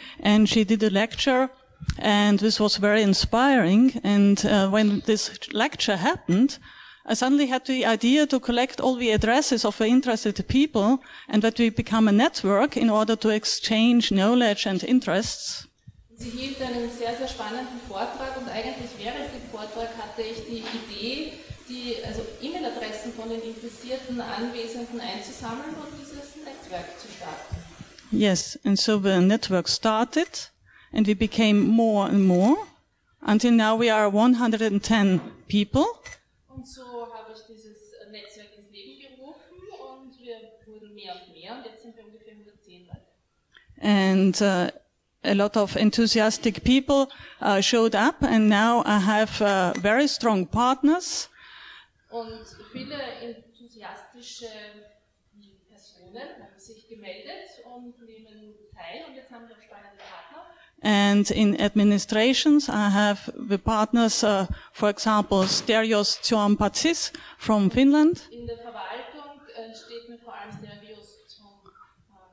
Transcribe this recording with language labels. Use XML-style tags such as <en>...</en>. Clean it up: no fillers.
<en>And she did a lecture and this was very inspiring and when this lecture happened, I suddenly had the idea to collect all the addresses of the interested people and that we become a network in order to exchange knowledge and interests.</en> <de>Sie hielt einen sehr, sehr spannenden Vortrag und eigentlich während dem Vortrag hatte ich die Idee, also E-Mail-Adressen von den interessierten Anwesenden einzusammeln und dieses Netzwerk zu starten.</de> <en>Yes, and so the network started and we became more and more until now we are 110 people.</en> <de>Und so habe ich dieses Netzwerk ins Leben gerufen und wir wurden mehr und mehr und jetzt sind wir ungefähr 110 Leute.</de> <en>And a lot of enthusiastic people showed up and now I have very strong partners.</en> <de>Und viele enthusiastische Personen haben sich gemeldet und nehmen teil und jetzt haben wir spannende Partner.</de> <en>And in administrations, I have the partners, for example, Stereos Tsiompatsis from Finland.</en> <de>In der Verwaltung steht mir vor allem Stereos Tsiompatsis</de>